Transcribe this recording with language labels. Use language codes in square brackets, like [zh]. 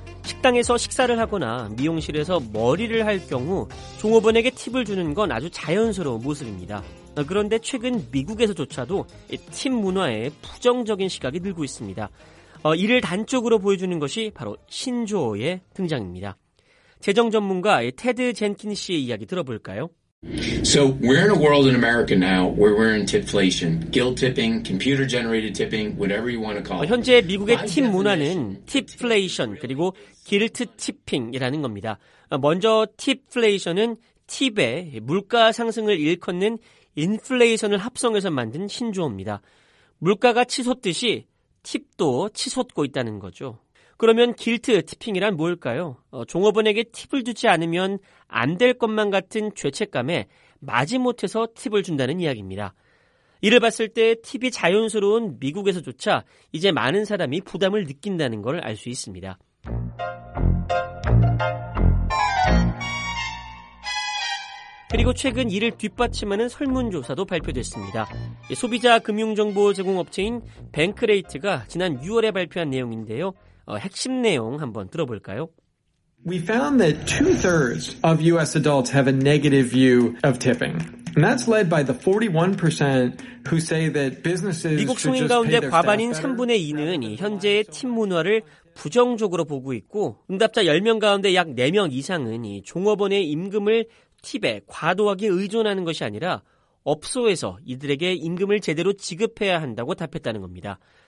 [ko] 식당에서 식사를 하거나 미용실에서 머리를 할 경우 종업원에게 팁을 주는 건 아주 자연스러운 모습입니다. 그런데 최근 미국에서조차도 팁 문화에 부정적인 시각이 늘고 있습니다. 이를 단적으로 보여주는 것이 바로 신조어의 등장입니다. 재정 전문가 테드 젠킨 씨의 이야기 들어볼까요? [en] So we're in a world in America now where we're in tipflation, guilt tipping, computer generated tipping, whatever you want to call it. [ko] 현재 미국의 팁 문화는 tipflation 그리고 guilt tipping이라는 겁니다. 먼저 tipflation은 팁의 물가 상승을 일컫는 inflation을 합성해서 만든 신조어입니다. 물가가 치솟듯이 팁도 치솟고 있다는 거죠. 그러면 길트 티핑이란 뭘까요? 종업원에게 팁을 주지 않으면 안 될 것만 같은 죄책감에 마지못해서 팁을 준다는 이야기입니다. 이를 봤을 때 팁이 자연스러운 미국에서조차 이제 많은 사람이 부담을 느낀다는 걸 알 수 있습니다. 그리고 최근 이를 뒷받침하는 설문조사도 발표됐습니다. 소비자 금융정보 제공 업체인 뱅크레이트가 지난 6월에 발표한 내용인데요. 핵심 내용 한번 들어볼까요? [en] We found that two-thirds of U.S. adults have a negative view of tipping. And that's led by the 41% who say that businesses should just pay their staff better. [ko] 미국 성인 가운데 과반인 3분의 2는 현재의 팀 문화를 부정적으로 보고 있고 응답자 10명 가운데 약 4명 이상은 이 종업원의 임금을 팁에 과도하게 의존하는 것이 아니라 업소에서 이들에게 임금을 제대로 지급해야 한다고 답했다는 겁니다.